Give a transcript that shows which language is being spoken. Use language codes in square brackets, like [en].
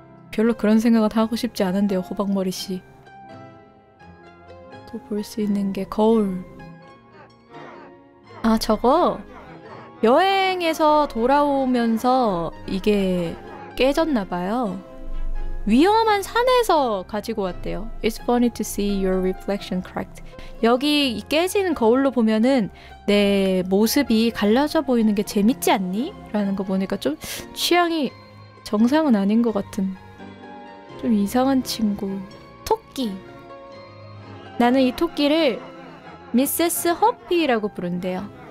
[ko] 별로 그런 생각은 하고 싶지 않은데요, 호박머리씨. 또 볼 수 있는 게 거울. 아, 저거? 여행에서 돌아오면서 이게 깨졌나 봐요. 위험한 산에서 가지고 왔대요. [en] It's funny to see your reflection cracked. [ko] 여기 이 깨진 거울로 보면은 내 모습이 갈라져 보이는 게 재밌지 않니? 라는 거 보니까 좀 취향이 정상은 아닌 것 같은. 좀 이상한 친구. 토끼. 나는 이 토끼를 미세스 허피라고 부른대요.